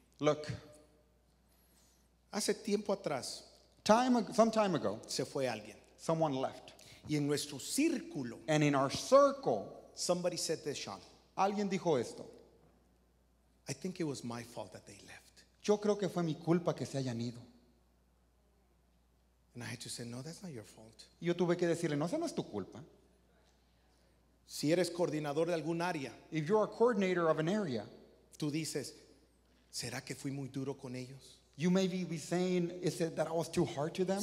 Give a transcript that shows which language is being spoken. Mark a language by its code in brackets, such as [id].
[en] Look. [es] Hace tiempo atrás. [en] Some time ago. [es] Se fue alguien. [en] Someone left. [es] Y en nuestro círculo. [en] And in our circle. Somebody said this, Sean. [es] Alguien dijo esto. [en] I think it was my fault that they left. [es] Yo creo que fue mi culpa que se hayan ido. [en] And I had to say, no, that's not your fault. [es] Yo tuve que decirle, no, esa no es tu culpa. Si eres coordinador de algún área. [en] If you're a coordinator of an area. [es] Tú dices, ¿será que fui muy duro con ellos? [en] You may be saying, is it that I was too hard to them?